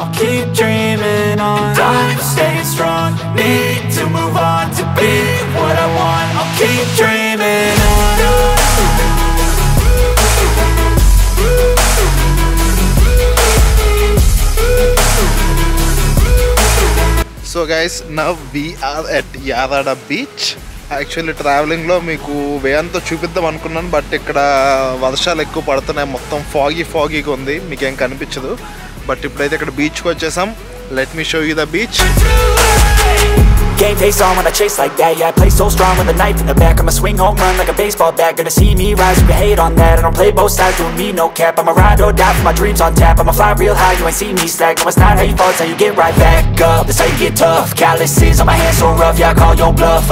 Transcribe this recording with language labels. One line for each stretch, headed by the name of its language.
English: I'll keep dreaming on. I'm staying strong, need to move on to be what I want. I'll keep dreaming on. So guys, now we are at Yarada beach.
Telugu: Actually ట్రావెలింగ్లో మీకు వేయంతో చూపిద్దాం అనుకున్నాను, but ఇక్కడ వర్షాలు ఎక్కువ పడుతున్నాయి, మొత్తం ఫాగీగా ఉంది, మీకేం కనిపించదు. బట్ ఇప్పుడైతే ఇక్కడ బీచ్కి వచ్చేసాం.
English: Let me show you the beach. Game face on when I chase like that, yeah, I play so strong with a knife in the back. I'ma swing home run like a baseball bat. Gonna see me rise, you can hate on that. I don't play both sides, doing me no cap. I'ma ride or die for my dreams on tap. I'ma fly real high, you ain't see me slack. No, it's not how you fall, it's how you get right back up. That's how you get tough. Calluses on my hands so rough, yeah, I call your bluff.